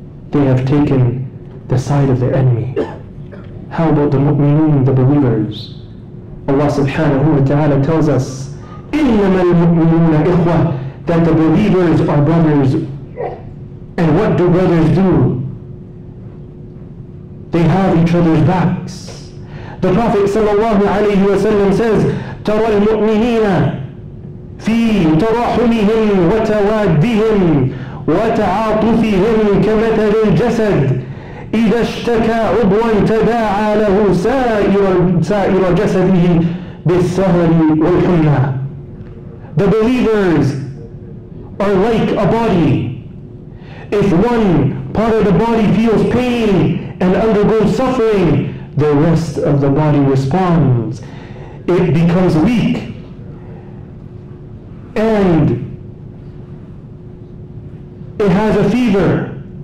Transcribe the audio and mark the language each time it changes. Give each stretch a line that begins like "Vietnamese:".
English: They have taken the side of their enemy. How about the mu'minun, the believers? Allah subhanahu wa ta'ala tells us,
Arabic: إِنَّمَا الْمُؤْمِنُونَ إِخْوَةً,
English: that the believers are brothers. And what do brothers do? They have each other's backs. The Prophet sallallahu alayhi wa sallam says,
Arabic: تَرَى الْمُؤْمِنِينَ فِي تَرَحُمِهِمْ وَتَوَادِّهِمْ وَتَعَاطُفِهِمْ كَمَثَلِ الْجَسَدِ إِذَا اشْتَكَى عُضْوًا تَدَاعَى لَهُ سَائِرَ جَسَدِهِ بِالسَّهَرِ وَالْحُمَّةِ.
English: The believers are like a body. If one part of the body feels pain and undergoes suffering, the rest of the body responds. It becomes weak. And it has a fever.